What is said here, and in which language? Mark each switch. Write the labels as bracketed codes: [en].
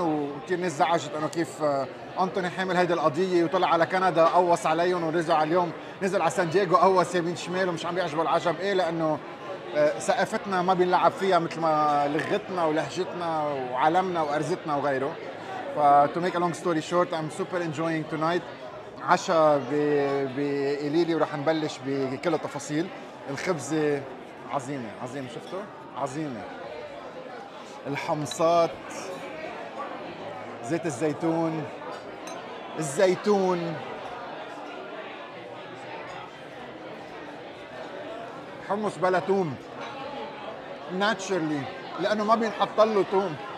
[ar] وكتير ناس زعجت أنه كيف أنطوني حامل هيدي القضية وطلع على كندا قوص عليهم ورجع اليوم نزل على سان دييغو قوص يمين شمال ومش عم بيعجبوا العجب. إيه لأنه ثقافتنا ما بنلعب فيها مثل ما لغتنا ولهجتنا وعالمنا وارزتنا وغيره. [en] ف to make a long story short I'm super enjoying tonight [ar] عشاء بإليلي وراح نبلش بكل التفاصيل. الخبزة عظيمة عظيمة، شفتوا عظيمة، الحمصات زيت الزيتون الزيتون حمص بلا توم ناتشرلي لانه ما بينحط له توم.